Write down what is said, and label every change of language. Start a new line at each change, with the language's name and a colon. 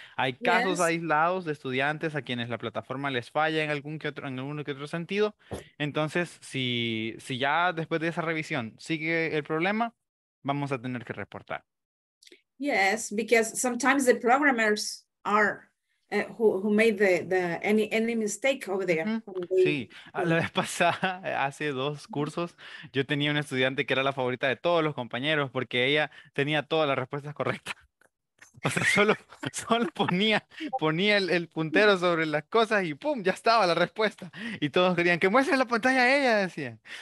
Spanish: Hay casos aislados de estudiantes a quienes la plataforma les falla en algún que otro sentido. Entonces, si ya después de esa revisión sigue el problema, vamos a tener que reportar.
English: Yes, because sometimes the programmers are who made the any mistake over there.
Spanish: La vez pasada, hace dos cursos, yo tenía una estudiante que era la favorita de todos los compañeros porque ella tenía todas las respuestas correctas. O sea, solo ponía el puntero sobre las cosas y ¡pum! Ya estaba la respuesta. Y todos querían que muestre la pantalla a ella, decían.